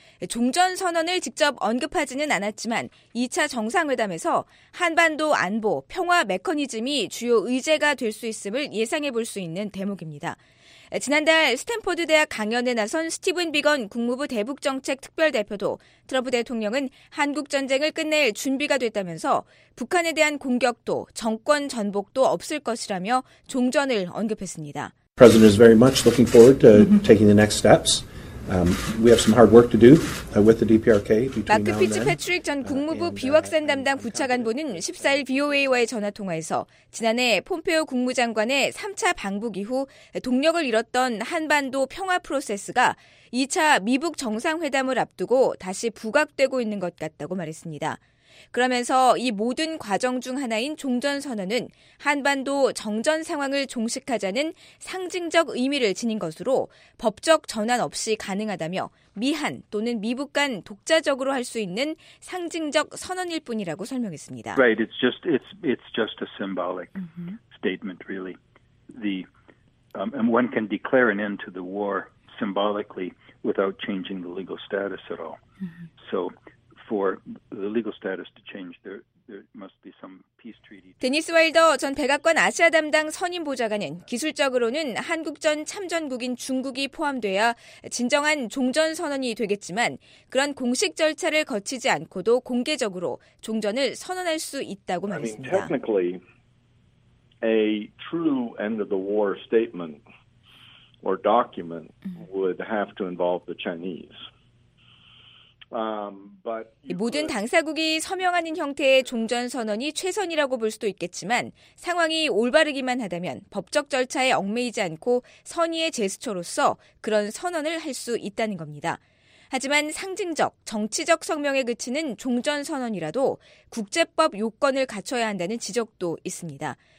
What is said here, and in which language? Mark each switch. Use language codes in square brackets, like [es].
[ko] 종전선언을 직접 언급하지는 않았지만 2차 정상회담에서 한반도 안보, 평화 메커니즘이 주요 의제가 될 수 있음을 예상해 볼 수 있는 대목입니다. 지난달 스탠퍼드 대학 강연에 나선 스티븐 비건 국무부 대북정책특별대표도 트럼프 대통령은 한국전쟁을 끝낼 준비가 됐다면서 북한에 대한 공격도 정권 전복도 없을 것이라며 종전을 언급했습니다. [en] The president is very much looking forward to taking the next steps. We have some hard work to do with the DPRK. [ko] 마크 피츠패트릭 전 국무부 비확산 담당 부차관보는 14일 VOA와의 전화통화에서 지난해 폼페오 국무장관의 3차 방북 이후 동력을 잃었던 한반도 평화 프로세스가 2차 미북 정상회담을 앞두고 다시 부각되고 있는 것 같다고 말했습니다. 그러면서 이 모든 과정 중 하나인 종전선언은 한반도 정전 상황을 종식하자는 상징적 의미를 지닌 것으로 법적 전환 없이 가능하다며 미한 또는 미북 간 독자적으로 할 수 있는 상징적 선언일 뿐이라고 설명했습니다. [en] Right, it's just a symbolic statement, really. One can declare an end to the war symbolically without changing the legal status at all. So. For the legal status to change, there must be some peace treaty. [ko] 데니스 와일더 전 백악관 아시아 담당 선임 보좌관은 기술적으로는 한국전 참전국인 중국이 포함돼야 진정한 종전 선언이 되겠지만 그런 공식 절차를 거치지 않고도 공개적으로 종전을 선언할 수 있다고 말했습니다. [en] I mean, technically, a true end of the war statement or document would have to involve the Chinese. [ko] 모든 당사국이 서명하는 형태의 종전선언이 최선이라고 볼 수도 있겠지만 상황이 올바르기만 하다면 법적 절차에 얽매이지 않고 선의의 제스처로서 그런 선언을 할 수 있다는 겁니다. 하지만 상징적, 정치적 성명에 그치는 종전선언이라도 국제법 요건을 갖춰야 한다는 지적도 있습니다.